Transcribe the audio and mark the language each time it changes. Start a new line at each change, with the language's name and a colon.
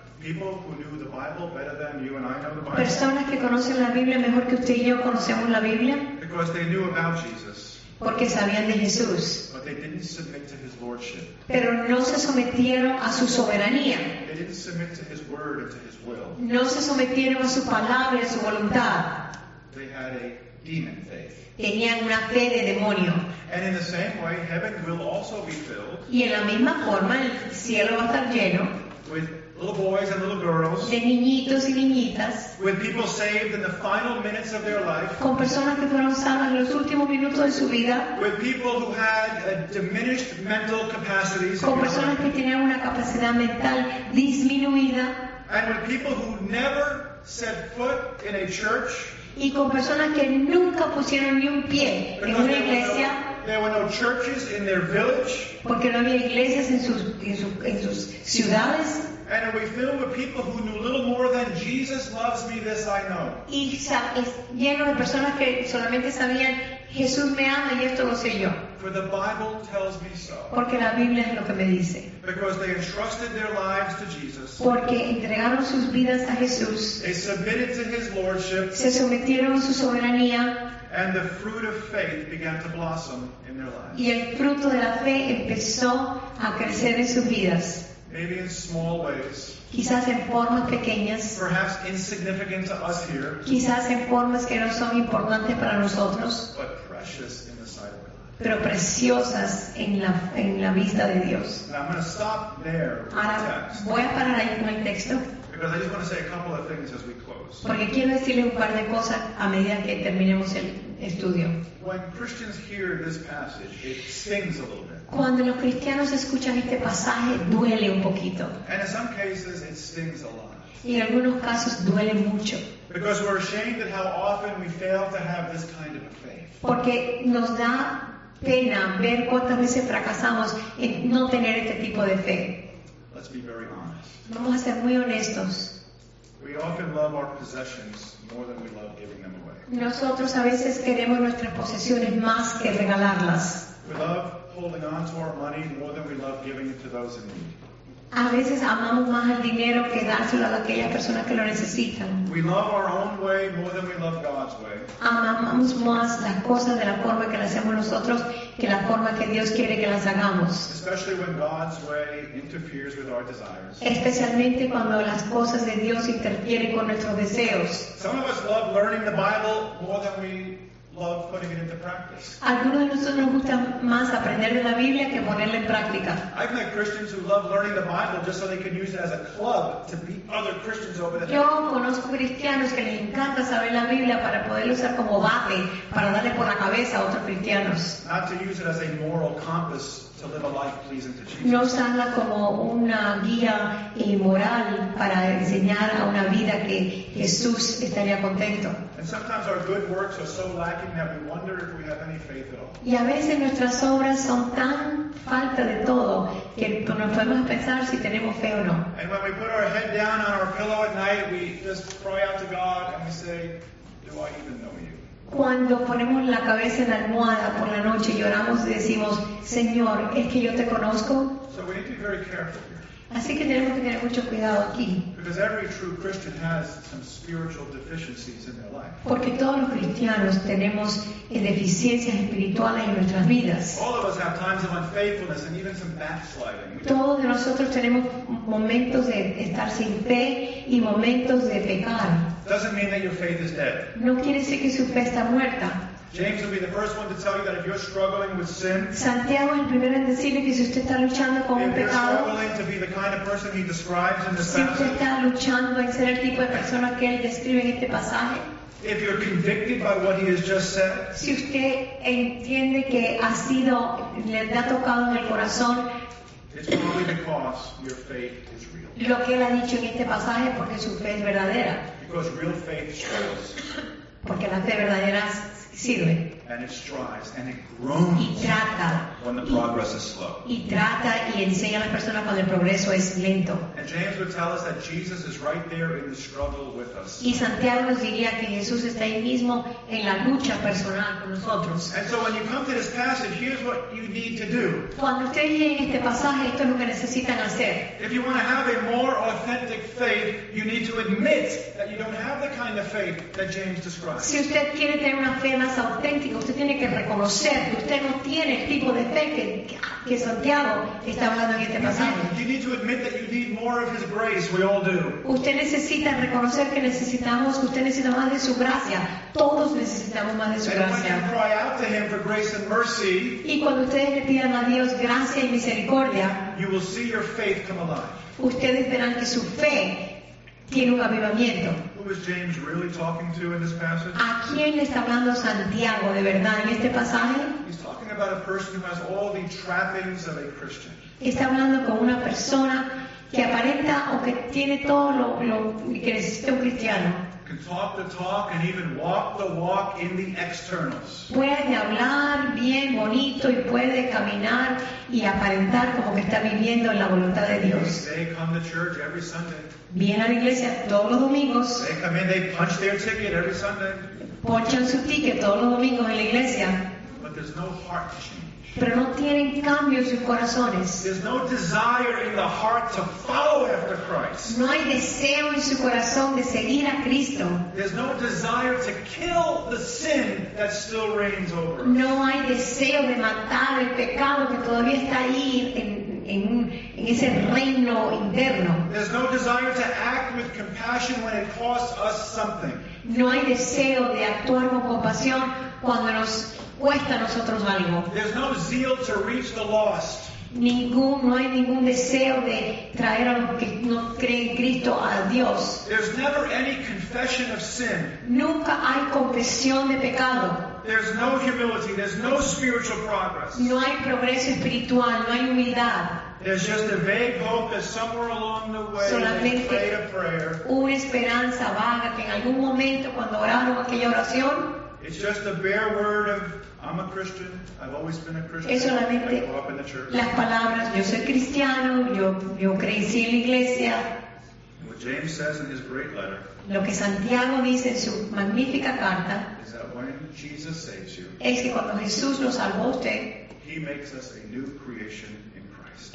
English: people who knew the Bible better than you and I know the Bible,
Spanish: personas que conocen la Biblia mejor que usted y yo conocemos la Biblia,
English: because they knew about Jesus.
Spanish: Porque sabían de Jesús.
English: But they didn't submit to his lordship.
Spanish: Pero no se sometieron a su soberanía.
English: They didn't submit to his word and to his will.
Spanish: No se sometieron a su palabra y a su voluntad.
English: They had a demon faith.
Spanish: Tenían una fe de demonio.
English: And in the same way, heaven will also be filled.
Spanish: Y en la misma forma, el cielo va a estar lleno.
English: With little boys and little girls,
Spanish: de niñitos y niñitas,
English: with people saved in the final minutes of their life,
Spanish: con personas que fueron salvas en los últimos minutos de su vida,
English: with people who had diminished mental capacities,
Spanish: con personas que tenían una capacidad mental disminuida,
English: and with people who never set foot in a church,
Spanish: y con personas que nunca pusieron ni un pie en una iglesia.
English: There were no churches in their village.
Spanish: Porque no había iglesias en sus ciudades.
English: And are we filled with people who knew little more than Jesus loves me, this I know.
Spanish: Y lleno de personas que solamente sabían Jesús me ama y esto lo sé yo.
English: For the Bible tells me so.
Spanish: Porque la Biblia es lo que me dice.
English: Because they entrusted their lives to Jesus.
Spanish: Porque entregaron sus vidas a Jesús.
English: They submitted to his lordship.
Spanish: Se sometieron a su soberanía.
English: And the fruit of faith began to blossom in their lives.
Spanish: Y el fruto de la fe empezó a crecer en sus vidas.
English: Maybe in small ways.
Spanish: Quizás en formas pequeñas.
English: Perhaps insignificant to us here.
Spanish: Quizás en formas que no son importantes para nosotros.
English: But precious in the sight of God.
Spanish: Pero preciosas en la vista de Dios.
English: Now I'm going to stop there.
Spanish: Ahora voy a parar ahí con el texto.
English: Because I just want to say a couple of things as we close.
Spanish: Porque quiero decirle un par de cosas a medida que terminemos el estudio.
English: When Christians hear this passage, it stings a little bit.
Spanish: Cuando los cristianos escuchan este pasaje, duele un poquito.
English: And in some cases, it stings a lot.
Spanish: Y en algunos casos duele mucho.
English: Because we're ashamed at how often we fail to have this kind of a faith.
Spanish: Porque nos da pena ver cuántas veces fracasamos en no tener este tipo de fe.
English: Let's be very honest.
Spanish: Vamos a ser muy honestos.
English: We often love our possessions more than we love giving them away.
Spanish: Nosotros a veces queremos nuestras posesiones más que regalarlas.
English: We love holding on to our money more than we love giving it to those in need.
Spanish: A veces amamos más el dinero que dárselo a aquellas personas que lo necesitan.
English: We love our own way more than we love God's way.
Spanish: Amamos más las cosas de la forma que las hacemos nosotros que la forma que Dios quiere que las hagamos.
English: Especially when God's way interferes with our desires.
Spanish: Especialmente cuando las cosas de Dios interfieren con nuestros deseos.
English: Some of us love learning the Bible more than we love putting it into practice.
Spanish: Algunos de nosotros nos gusta más aprender de la Biblia que ponerla en práctica.
English: I've met Christians who love learning the Bible just so they can use it as a club to beat other Christians over the head.
Spanish: Yo conozco cristianos que les encanta saber la Biblia para poderlo usar como bate para darle por la cabeza a otros cristianos.
English: Not to use it as a moral compass to live a life pleasing to Jesus.
Spanish: No usarla como una guía moral para enseñar a una vida que Jesús estaría contento.
English: And sometimes our good works are so lacking that we wonder if we have any faith at all.
Spanish: Y a veces nuestras obras son tan falta de todo que nos podemos pensar si tenemos fe o no.
English: And when we put our head down on our pillow at night, we just cry out to God and we say, do I even know you?
Spanish: Cuando ponemos la cabeza en la almohada por la noche, lloramos y decimos, Señor, ¿es que yo te conozco?
English: So we need to be very careful here.
Spanish: Así que tenemos que tener mucho cuidado aquí.
English: Because every true Christian has some spiritual deficiencies in their life.
Spanish: Porque todos los cristianos tenemos deficiencias espirituales en nuestras vidas.
English: All of us have times of unfaithfulness and even some backsliding.
Spanish: Todos de nosotros tenemos momentos de estar sin fe y momentos de pecar.
English: Doesn't mean that your faith is dead.
Spanish: No quiere decir que su fe está muerta.
English: James will be the first one to tell you that if you're struggling with sin,
Spanish: Santiago el primero en decirle que si usted está luchando con un pecado,
English: if you're struggling to be the kind of person he describes in this passage,
Spanish: si usted está luchando en ser el tipo de persona que él describe en este pasaje,
English: if you're convicted by what he has just said,
Spanish: si usted entiende que ha sido, le ha tocado en el corazón,
English: it's probably because your faith is real.
Spanish: Lo que él ha dicho en este pasaje es porque su fe es verdadera.
English: Because real faith struggles.
Spanish: Porque la fe verdadera sirve.
English: And it strives and it groans.
Spanish: Y trata.
English: When the progress is slow.
Spanish: Y trata y enseña a las personas cuando el progreso es lento.
English: And James would tell us that Jesus is right there in the struggle with us.
Spanish: Y Santiago nos diría que Jesús está ahí mismo en la lucha personal con nosotros.
English: And so when you come to this passage, here's what you need to do.
Spanish: Cuando usted llegue a este pasaje, esto es lo que necesitan hacer.
English: If you want to have a more authentic faith, you need to admit that you don't have the kind of faith that James describes.
Spanish: Si usted quiere tener una fe más auténtica, usted tiene que reconocer que usted no tiene el tipo de fe que Santiago está hablando en este pasaje. Usted necesita reconocer que necesitamos, usted necesita más de su gracia. Todos necesitamos más de su gracia.
English: And when you cry out to him for grace and mercy,
Spanish: y cuando ustedes le pidan a Dios gracia y misericordia,
English: you will see your faith come alive.
Spanish: Ustedes verán que su fe tiene un avivamiento.
English: Who is James really talking to in this passage?
Spanish: ¿A quién está hablando Santiago de verdad en este pasaje?
English: He's talking about a person who has all the trappings of a Christian.
Spanish: Está hablando con una persona que aparenta o que tiene todo lo que necesita un cristiano.
English: Can talk the talk and even walk the walk in the externals.
Spanish: Puede hablar bien, bonito, y puede caminar y aparentar como que está viviendo en la voluntad de Dios.
English: They come to church every Sunday.
Spanish: Vienen a la iglesia todos los domingos.
English: They come in, they punch their ticket every Sunday.
Spanish: Ponchan su ticket todos los domingos en la iglesia.
English: But there's no heart change.
Spanish: Pero no tienen cambio en sus corazones.
English: There's no desire in the heart to follow after Christ.
Spanish: No hay deseo en su corazón de seguir a Cristo.
English: There's no desire to kill the sin that still reigns over.
Spanish: No hay deseo de matar el pecado que todavía está ahí en ese reino interno.
English: There's no desire to act with compassion when it costs us something.
Spanish: No hay deseo de actuar con compasión cuando nos cuesta a nosotros algo.
English: There's no zeal to reach the lost.
Spanish: No hay ningún deseo de traer a los que no creen en Cristo a Dios.
English: There's never any confession of sin.
Spanish: Nunca hay confesión de pecado.
English: There's no humility. There's no spiritual progress.
Spanish: No hay progreso espiritual. No hay humildad.
English: There's just a vague hope that somewhere along the way
Spanish: solamente
English: they prayed a prayer.
Spanish: Una esperanza vaga que en algún momento cuando oraron aquella oración.
English: It's just a bare word of, I'm a Christian, I've always been a Christian,
Spanish: es solamente
English: I grew up in the church.
Spanish: Las palabras, yo soy cristiano, yo crecí en la iglesia.
English: We James says in his great letter,
Spanish: lo que Santiago dice en su magnífica carta,
English: is that when Jesus saves you,
Spanish: es que cuando Jesús nos salvó a usted,
English: he makes us a new creation in Christ.